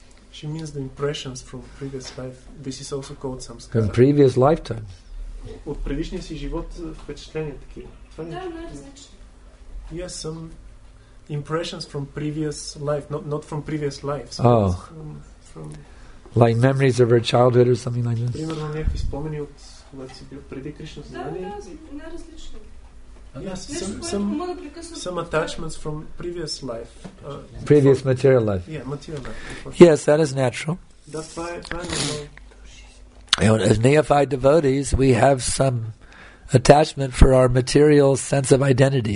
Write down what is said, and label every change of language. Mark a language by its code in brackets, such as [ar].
[en] She means the impressions from previous life. This is also called samskara. From previous lifetime. [bg] От предишния си живот впечатления такива. Това не е различно. [en] Yes, some impressions from previous life, not from previous lives. Oh. From like memories of her childhood or something like this. [bg] Примерно някакви спомени от когато си бил преди Кришна съзнание. Да, не е различно. [en] Yes, some attachments from previous life. Previous material life. Yeah, material life. Yes, that is natural. That's why As neophyte devotees, we have some attachment for our material sense of identity.